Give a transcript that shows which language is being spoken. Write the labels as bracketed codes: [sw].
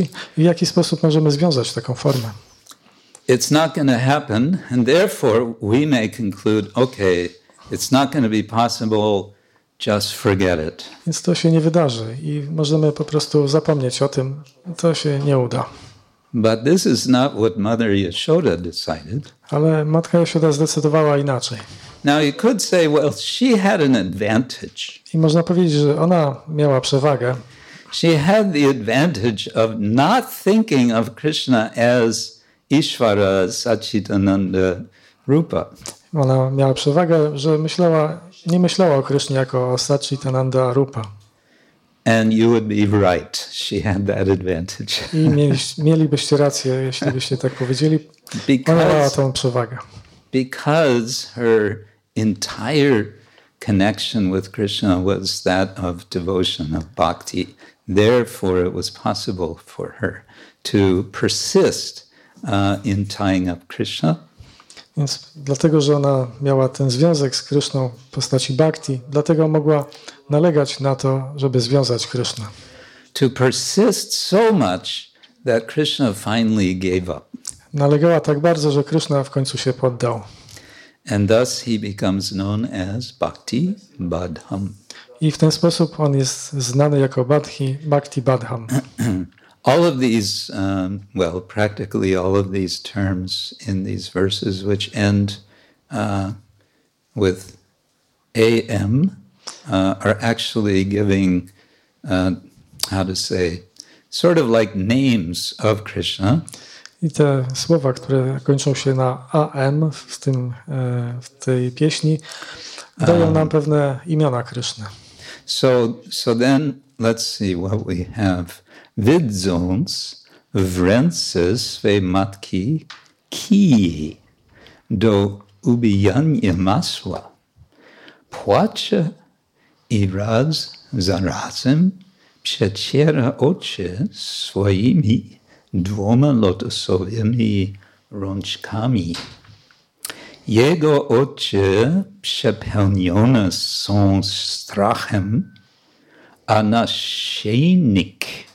[pl] I w jaki sposób możemy związać taką formę? [en] It's not going to happen, and therefore we may conclude, okay, it's not going to be possible, just forget it. [pl] Więc to się nie wydarzy i możemy po prostu zapomnieć o tym, to się nie uda. [en] But this is not what Mother Yashoda decided. [pl] Ale matka Yashoda zdecydowała inaczej. [en] Now you could say, well, she had an advantage. [pl] I można powiedzieć, że ona miała przewagę. [en] She had the advantage of not thinking of Krishna as Ishvara Satchitananda Rupa. [pl] Ona miała przewagę, że myślała, nie myślała o Krishnie jako o Satchitananda Rupa. [en] And you would be right. She had that advantage. [pl] I mielibyście rację, jeśli byście tak powiedzieli. Ona miała tą przewagę. [en] Because her entire connection with Krishna was that of devotion, of bhakti. Therefore, it was possible for her to persist in tying up Krishna. [pl] Więc dlatego, że ona miała ten związek z Krishną w postaci bhakti, dlatego mogła nalegać na to, żeby związać Krishna. [en] To persist so much that Krishna finally gave up. [pl] Nalegała tak bardzo, że Krishna w końcu się poddał. [en] And thus he becomes known as Bhakti Badham. [pl] I w ten sposób on jest znany jako Bhakti Badham. [en] All of these, well, practically all of these terms in these verses, which end with AM, are actually giving, how to say, sort of like names of Krishna. [pl] I te słowa, które kończą się na AM w tej pieśni, dają nam pewne imiona Krishna. [en] So then, let's see what we have. Vidzons vrensis ve matki ki do ubiyanyamaswa poacha iraz zanrasim pshachera oche svoimi dvoma lotosovimi ronchkami yego oche pshapelnyona son strachem anashenik